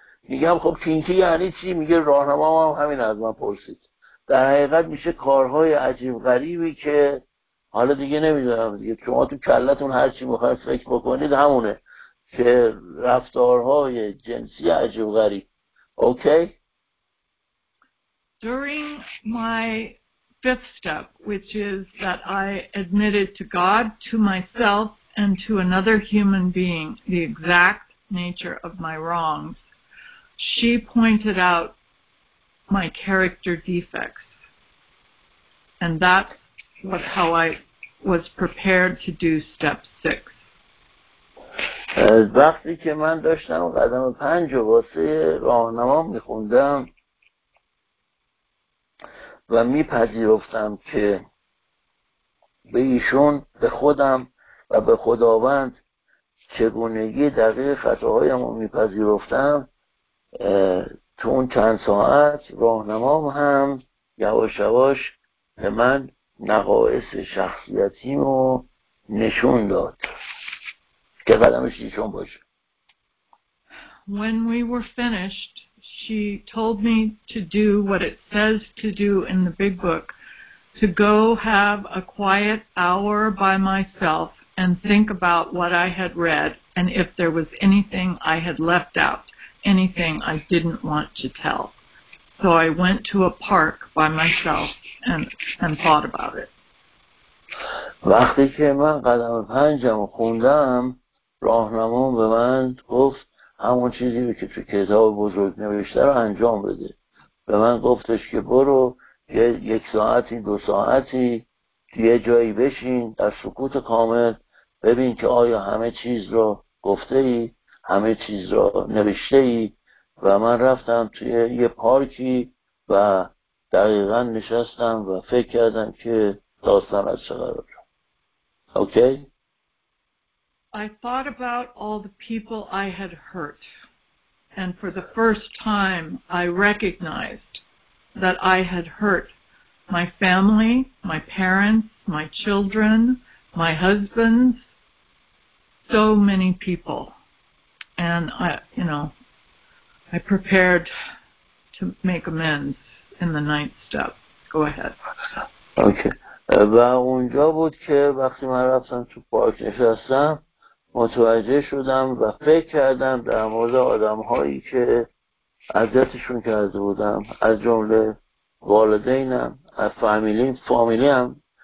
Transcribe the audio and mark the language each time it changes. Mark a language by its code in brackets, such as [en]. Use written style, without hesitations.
[fa] میگم خب کینکی یعنی چی؟ میگه راهنما هم همین از من پرسید. در حقیقت میشه کارهای عجیب غریبی که حالا دیگه نمیدونم دیگه شما تو کلتون هرچی میخواید فکر بکنید همونه که رفتارهای جنسی عجیب غریب. [en] Okay? During my fifth step, which is that I admitted to God, to myself, and to another human being the exact nature of my wrongs, she pointed out my character defects. And that was how I was prepared to do step six. [fa] وقتی که من داشتم قدم پنج رو واسه راهنما میخوندم و میپذیرفتم که به ایشون، به خودم و به خداوند چگونگی دقیق خطاهایم رو میپذیرفتم، تو اون چند ساعت راهنمام هم یواش یواش به من نقایص شخصیتیم رو نشون داد که قدمش ایشون باشه. [en] When we were finished, she told me to do what it says to do in the big book, to go have a quiet hour by myself and think about what I had read and if there was anything I had left out, anything I didn't want to tell. So I went to a park by myself and thought about it. [fa] وقتی که من قدم پنجم خوندم، راهنمام به من گفت همون چیزی که تو کتاب بزرگ نوشته رو انجام بده. به من گفتش که برو یک ساعتی دو ساعتی یه جایی بشین در سکوت کامل، ببین که آیا همه چیز رو گفته ای، همه چیز رو نوشته ای. و من رفتم توی یه پارکی و دقیقا نشستم و فکر کردم که داستان از چه قرار. [en] Okay? I thought about all the people I had hurt, and for the first time I recognized that I had hurt my family, my parents, my children, my husbands, so many people. And I prepared to make amends in the ninth step. Go ahead. Okay. [fa] و اونجا بود که وقتی من رفتم تو پارک نشستم، متوجه شدم و فکر کردم در مورد آدم هایی که اذیتشون کرده بودم، از جمله والدینم، از فامیلیم،